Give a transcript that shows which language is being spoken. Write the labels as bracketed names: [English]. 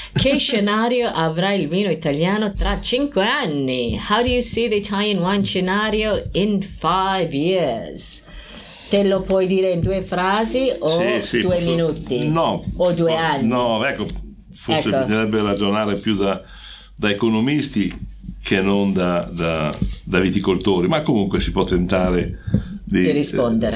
[Italian] Che scenario avrà il vino italiano tra 5 anni? [English] How do you see the Italian wine scenario in 5 years? [Italian] Te lo puoi dire in due frasi o sì, due posso... minuti? No. O due anni? No, ecco, forse ecco. Bisognerebbe ragionare più da economisti che non da viticoltori, ma comunque si può tentare di rispondere.